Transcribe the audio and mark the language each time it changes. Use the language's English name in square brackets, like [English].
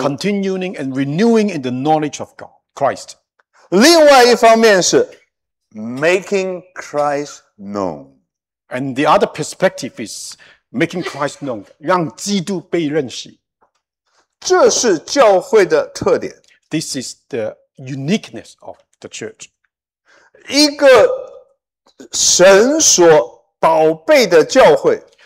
[English] Continuing and renewing in the knowledge of God, Christ. [Chinese] 另外一方面是 [English] making Christ known. And the other perspective is making Christ known, [Chinese] 让基督被认识. 这是教会的特点. [English] This is the uniqueness of the church. [Chinese] 一个神所宝贝的教会,